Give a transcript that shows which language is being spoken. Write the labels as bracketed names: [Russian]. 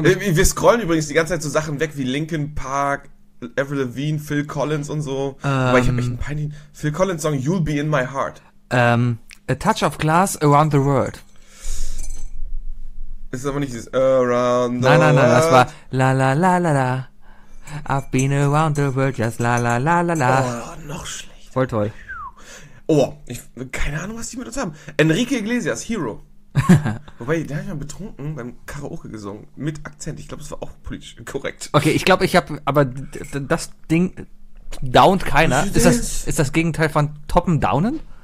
[German] ob wir scrollen übrigens die ganze Zeit so Sachen weg wie Linkin Park, Avril Lavigne, Phil Collins und so. Aber ich habe echt einen peinlichen Phil Collins Song, You'll Be In My Heart. A Touch of Glass, Around the World. Ist aber nicht dieses Around the World. Nein, das war La La La La La. [English] I've been around the world, just La La La La La. [German] Oh, noch schlecht. Voll toll. Oh, keine Ahnung, was die mit uns haben. Enrique Iglesias, Hero. Wobei, der hat ja betrunken beim Karaoke gesungen, mit Akzent. Ich glaube, das war auch politisch korrekt. Okay, ich glaube, ich habe, aber das Ding downt keiner. Ist das Gegenteil von toppen downen?